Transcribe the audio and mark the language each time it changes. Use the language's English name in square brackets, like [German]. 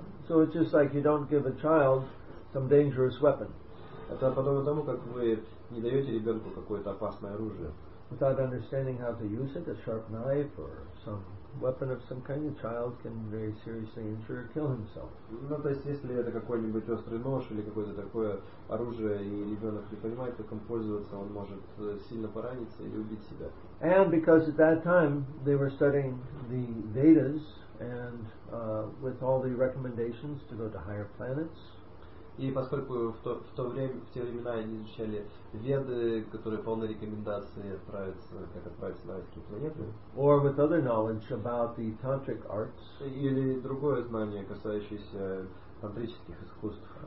[English] So it's just like you don't give a child some dangerous weapon. [Russian] Это подобно тому, как вы не даете ребенку какое-то опасное оружие. [English] Without understanding how to use it, a sharp knife or some weapon of some kind, a child can very seriously injure or kill himself. [Russian] Ну, то есть, если это какой-нибудь острый нож или какое-то такое оружие, и ребенок не понимает, как им пользоваться, он может сильно пораниться или убить себя. [English] And because at that time they were studying the Vedas and with all the recommendations to go to higher planets, [Russian] и поскольку в те времена они изучали Веды, которые полны рекомендаций как отправиться на райские планеты, [English] or with other knowledge about the tantric arts, [Russian] или другое знание, касающееся тантрических искусств.